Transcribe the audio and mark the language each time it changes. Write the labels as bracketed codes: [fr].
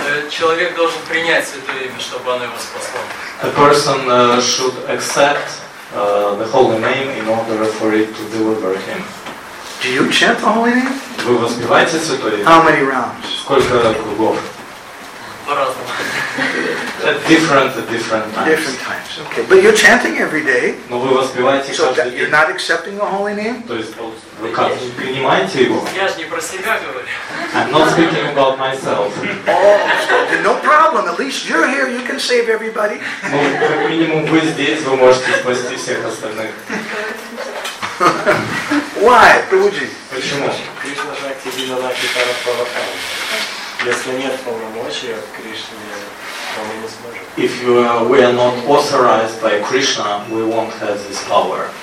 [ru] Человек должен принять святое имя, чтобы оно его спасло. [en] A person should accept the holy name in order for it to deliver him. Do you chant the holy name? [ru] Вы воспеваете святое имя? [en] How many rounds? [ru] Сколько кругов? По-разному. [en] Different times. Different times. Okay. But you're chanting every day. [ru] Но вы воспеваете каждый день. [en] So you're not accepting the holy name? [ru] То есть вы как принимаете его? Я же не про себя говорю. [en] I'm not speaking about myself. Oh, no problem. At least you're here. You can save everybody. [ru] Ну, как минимум вы здесь, вы можете спасти всех остальных. [en] Why, Прабхуджи? [ru] Почему? [sa] Кришна Шакти Динадаки Тарапавакам. [ru] Если нет полномочия в Кришне, то мы не сможем. [en] If we are not authorized by Krishna, we won't have this power.